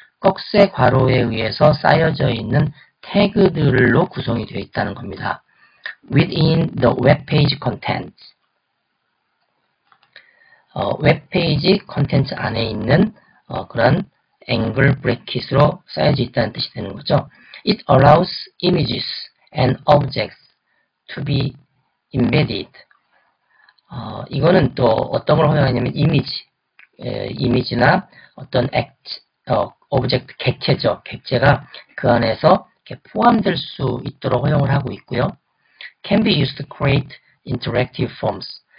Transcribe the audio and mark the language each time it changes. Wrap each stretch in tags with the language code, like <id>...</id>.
<ko>꺽쇠 괄호에 의해서 쌓여져 있는 태그들로 구성이 되어 있다는 겁니다.</ko> <en>within the web page contents.</en> <ko>웹페이지 컨텐츠 안에 있는 그런 앵글 브래킷으로 쌓여져 있다는 뜻이 되는 거죠.</ko> <en>It allows images and objects to be embedded.</en> <ko>이거는 또 어떤 걸 허용하냐면 이미지나 어떤 오브젝트 객체죠. 객체가 그 안에서 이렇게 포함될 수 있도록 허용을 하고 있고요.</ko> <en>Can be used to create interactive forms.</en>